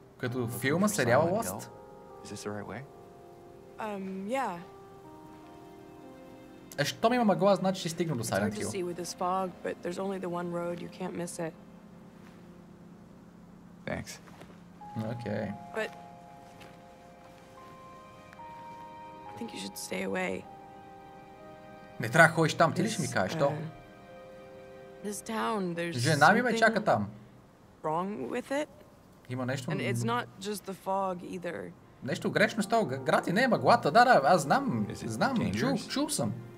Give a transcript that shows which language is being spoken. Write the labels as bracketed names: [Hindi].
[Bulgarian] Като филма, сериала Lost? [English] Is this the right way? Yeah. [Bulgarian] А що ми има мъгла, значи ще стигна до Silent Hill. [English] It's hard to see with this fog, but there's only the one road, you can't miss it. Thanks. Okay. But... I think you should stay away. [Bulgarian] Не трябва да ходиш там, ти ли ще ми кажеш, то? [English] This town, there's [Bulgarian] жена ми ме чака там. [English] Wrong with it? [Bulgarian] Има нещо... [English] And it's not just the fog either. [Bulgarian] Нещо грешно с това град и не е мъглата. Да, да, аз знам, знам, чул съм.